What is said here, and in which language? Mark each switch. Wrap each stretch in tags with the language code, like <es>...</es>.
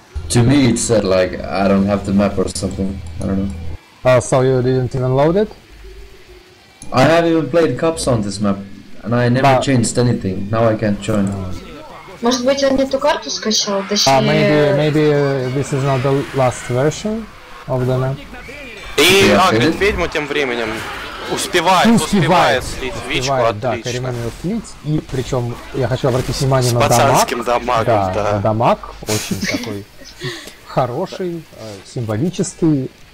<en>To me it said like I don't have the map or something, I don't know. So you didn't even load it? I have even played cups on this map and I never changed anything. Now I can't join.</en> <ru>Может быть он не ту карту скачал, точнее...</ru> <en>Maybe this is not the last version of the map.</en> <ru>И Агрид Ведьму тем временем успевает слить вичку, да, отлично. Да, и причем я хочу обратить внимание с на дамаг. С пацанским дамагом, да. Да, дамаг очень такой хороший, символический.</ru>